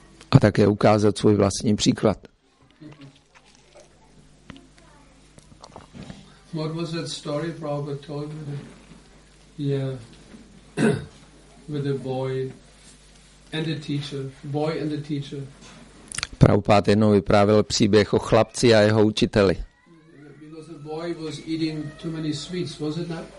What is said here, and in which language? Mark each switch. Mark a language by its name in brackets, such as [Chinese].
[Czech] A také ukázat svůj vlastní příklad. [English] What was that story Prabhupada told with with the boy and the teacher? Boy and the teacher. [Czech] Prabhupada jednou vyprávěl příběh o chlapci a jeho učiteli. [English] Because the boy was eating too many sweets, was it not?